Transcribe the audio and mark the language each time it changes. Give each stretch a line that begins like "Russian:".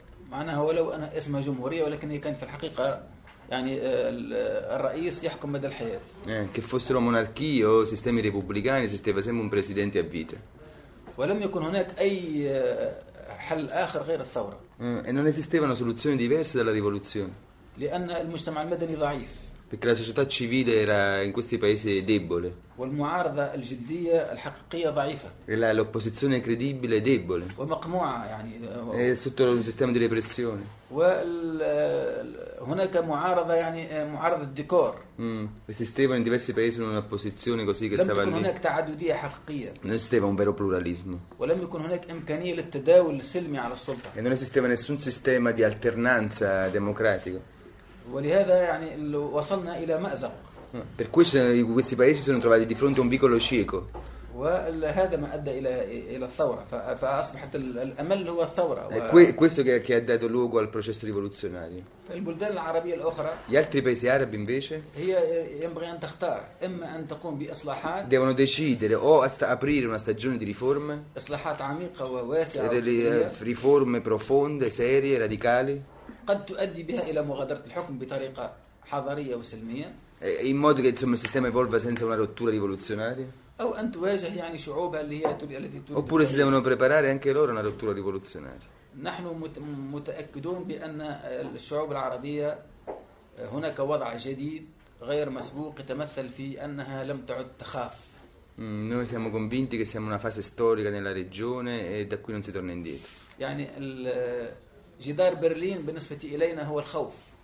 Arabic: معناها ولو أنا اسمها جمهورية ولكن هي كانت في الحقيقة يعني الرئيس يحكم مدى الحياة.
Italian: Che fossero monarchie o sistemi repubblicani esisteva sempre un presidente a vita.
Arabic: ولم يكن هناك أي حل آخر غير الثورة.
Italian: E non esistevano soluzioni diverse dalla rivoluzione.
Arabic: لأن المجتمع المدني ضعيف.
Italian: Perché la società civile era in questi paesi debole.
Arabic: والمعارضة الجدية الحقيقية ضعيفة.
Italian: L'opposizione credibile debole.
Arabic: ومقموعة يعني.
Italian: E sotto un sistema di repressione.
Arabic: وهناك معارضة يعني معارضة ديكور.
Italian: Esistevano in diversi paesi un'opposizione così che stava
Arabic: لي. لم تكن هناك تعددية حقيقية.
Italian: Non esisteva un vero pluralismo.
Arabic: ولم يكن هناك إمكانية للتداول السلمي على السلطة.
Italian: E non esisteva nessun sistema di alternanza democratico.
Arabic: ولهذا يعني وصلنا الى مأزق.
Italian: Per cui questi paesi sono trovati di fronte a un vicolo cieco.
Arabic: وهذا ما ادى الى الثوره فاصبحت الامل هو الثوره.
Italian: Questo che ha dato luogo al processo rivoluzionario.
Arabic: البلدان العربيه الاخرى.
Italian: Gli altri paesi arabi invece.
Arabic: هي ينبغي ان تختار اما ان تقوم باصلاحات.
Italian: Devono decidere o aprire una stagione di riforme.
Arabic: اصلاحات عميقه وواسعه.
Italian: Riforme profonde, serie, radicali.
Arabic: قد تؤدي بها الى مغادره الحكم بطريقه حضاريه وسلميه
Italian: in modo che insomma il sistema evolva senza una rottura rivoluzionaria
Arabic: او ان تواجه يعني شعوب اللي هي التي
Italian: تريد oppure si devono preparare anche loro una rottura rivoluzionaria.
Arabic: نحن متاكدون بان الشعوب العربيه هناك وضع جديد غير مسبوق يتمثل في انها لم تعد تخاف.
Italian: Noi siamo convinti che siamo in una fase storica nella regione e da qui non si torna indietro.
Arabic: يعني جدار برلين بالنسبة إلينا هو الخوف.